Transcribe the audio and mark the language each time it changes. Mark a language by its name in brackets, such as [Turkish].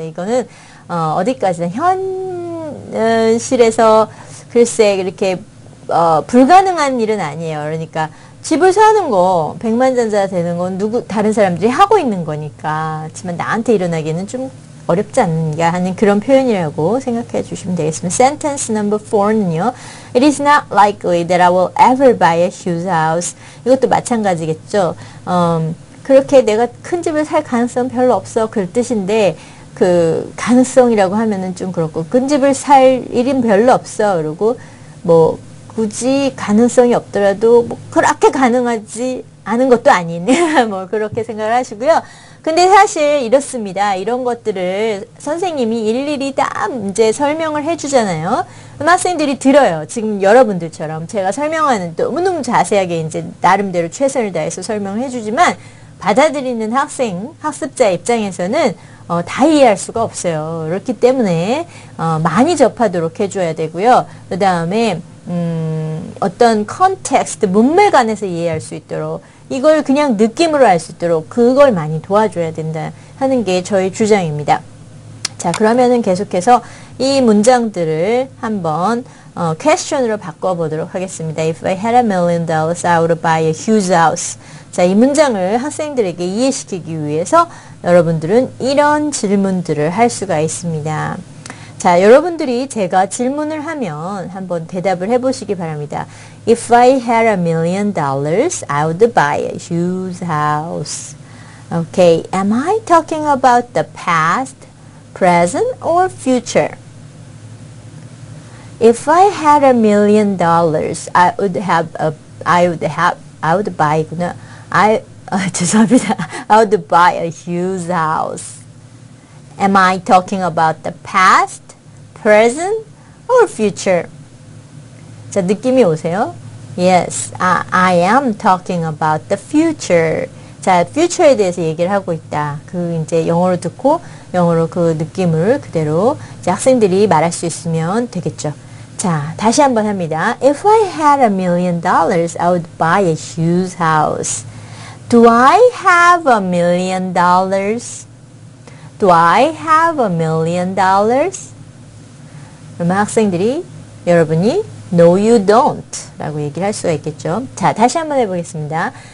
[Korean] 이거는 어디까지나 현실에서 글쎄 이렇게 불가능한 일은 아니에요. 그러니까 집을 사는 거 100만 전자 되는 건 다른 사람들이 하고 있는 거니까 하지만 나한테 일어나기는 좀 어렵지 않냐 하는 그런 표현이라고 생각해 주시면 되겠습니다. Sentence number 4는요. It is not likely that I will ever buy a huge house. 이것도 마찬가지겠죠. 그렇게 내가 큰 집을 살 가능성 별로 없어. 그럴 뜻인데 그 가능성이라고 하면은 좀 그렇고 큰 집을 살 일은 별로 없어. 그리고 뭐 굳이 가능성이 없더라도 뭐 그렇게 가능하지 않은 것도 아닌 뭐 그렇게 생각을 하시고요. 근데 사실 이렇습니다. 이런 것들을 선생님이 일일이 다 이제 설명을 해주잖아요. 학생들이 들어요. 지금 여러분들처럼 제가 설명하는 너무너무 자세하게 이제 나름대로 최선을 다해서 설명을 해주지만 받아들이는 학생, 학습자 입장에서는 다 이해할 수가 없어요. 그렇기 때문에 많이 접하도록 해줘야 되고요. 그 다음에 어떤 컨텍스트, 문맥 안에서 이해할 수 있도록 이걸 그냥 느낌으로 알 수 있도록 그걸 많이 도와줘야 된다 하는 게 저희 주장입니다. 자, 그러면은 계속해서 이 문장들을 한번 question으로 바꿔보도록 하겠습니다. [English] If I had $1,000,000, I would buy a huge house. [Korean] 자, 이 문장을 학생들에게 이해시키기 위해서 여러분들은 이런 질문들을 할 수가 있습니다. 자, 여러분들이 제가 질문을 하면 한번 대답을 해보시기 바랍니다. [English] If I had $1,000,000, I would buy a huge house. Okay, am I talking about the past, present, or future? If I had $1,000,000, I would buy a huge house. Am I talking about the past? Present or future? [Korean] 자, 느낌이 오세요? [English] Yes, I am talking about the future. [Korean] 자, future에 대해서 얘기를 하고 있다. 그 이제 영어로 듣고 영어로 그 느낌을 그대로 이제 학생들이 말할 수 있으면 되겠죠. 자, 다시 한번 합니다. [English] If I had $1,000,000, I would buy a huge house. Do I have $1,000,000? Do I have $1,000,000? [Korean] 그러면 학생들이 여러분이 [English] No, you don't [Korean] 라고 얘기를 할 수가 있겠죠. 자, 다시 한번 해보겠습니다.